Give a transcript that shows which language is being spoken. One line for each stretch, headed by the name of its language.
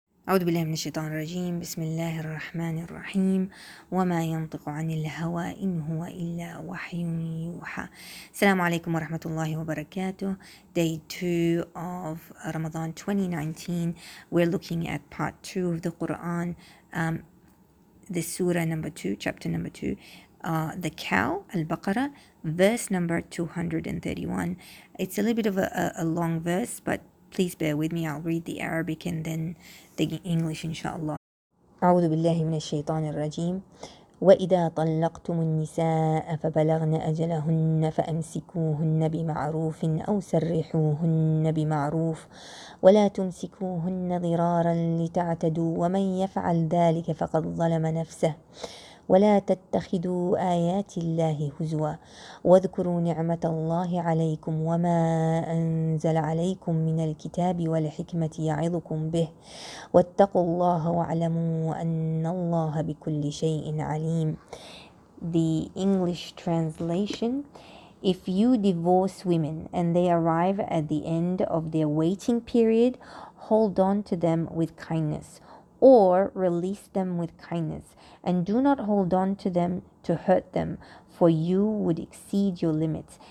Arabic: أعوذ بالله من الشيطان الرجيم. بسم الله الرحمن الرحيم. وما ينطق عن الهوى إن هو إلا وحي يوحى. السلام عليكم ورحمة الله وبركاته.
English: Day 2 of Ramadan 2019. We're looking at part 2 of the Quran. The surah number 2, chapter number 2. The cow, al-Baqarah, verse number 231. It's a little bit of a long verse, but please bear with me. I'll read the Arabic and then the English, inshallah.
Arabic: أعوذ بالله من الشيطان الرجيم. وإذا طلقتم النساء فبلغن أجلهن فأمسكوهن بمعروف أو سرحوهن بمعروف ولا تمسكوهن ضرارا لتعتدوا ومن يفعل ذلك فقد ظلم نفسه ولا تتخذوا آيات الله هزوا واذكروا نعمة الله عليكم وما أنزل عليكم من الكتاب والحكمة يعظكم به واتقوا الله واعلموا أن الله بكل شيء عليم.
English: The English translation: if you divorce women and they arrive at the end of their waiting period, hold on to them with kindness, or release them with kindness, and do not hold on to them to hurt them, for you would exceed your limits.